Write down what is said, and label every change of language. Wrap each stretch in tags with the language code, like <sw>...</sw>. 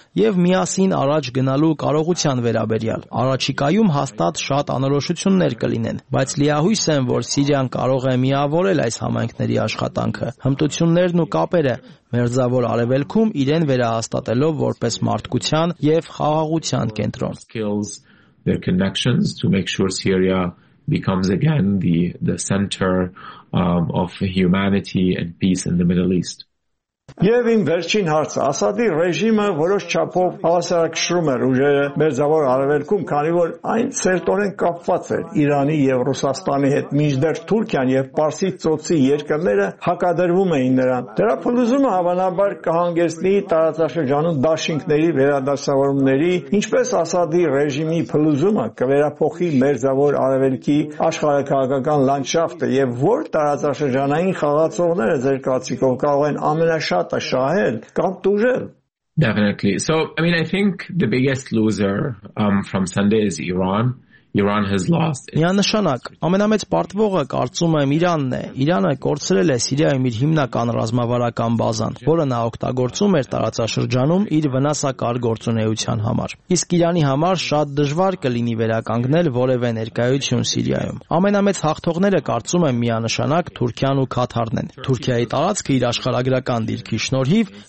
<hy>եւ միասին առաջ գնալու կարողության վերաբերյալ։ Առաջիկայում հաստատ շատ անորոշություններ կլինեն, բայց լիահույս եմ, որ Սիրիան կարող է միավորել այս համայնքների աշխատանքը, հմտություններն ու կապերը մերձավոր արևելքում իրեն վերահաստատելով որպես մարդկության եւ խաղաղության կենտրոն։</hy> <en>Their connections to make sure Syria becomes again the center of humanity and peace in the Middle East.</en> <hy>Եվ իմ վերջին հարցը, Ասադի ռեժիմը որոշ չափով հավասարակշռում էր ուժերը մերձավոր արևելքում, քանի որ այն ցերտորեն կապված էր Իրանի եւ Ռուսաստանի հետ, մինչդեռ Թուրքիան եւ Պարսի ծոցի երկրները հակադրվում էին նրան։ Դրա փլուզումը հավանաբար կհանգեցնի տարածաշրջանում դաշինքների վերադասավորումների, ինչպես Ասադի ռեժիմի փլուզումը կվերափոխի մերձավոր արևելքի աշխարհակահաղական լանդշաֆտը եւ որ տարածաշրջանային խաղացողները ձեր կարծիքով կարող են ամենա</hy> <en>Definitely. So, I mean, I think the biggest loser from Sunday is Iran. Iran has lost.</en> <hy>Միանշանակ, ամենամեծ պարտվողը կարծում եմ Իրանն է։ Իրանը կորցրել է Սիրիայում իր հիմնական ռազմավարական բազան, որը նա օգտագործում էր տարածաշրջանում իր վնասակար գործունեության համար։ Իսկ Իրանի համար շատ դժվար կլինի վերականգնել որևէ ներկայություն Սիրիայում։ Ամենամեծ հաղթողները կարծում եմ միանշանակ Թուրքիան ու Քաթարն են։ Թուրքիայի տարածքը իր աշխարհագրական դիրքի շնորհիվ</hy>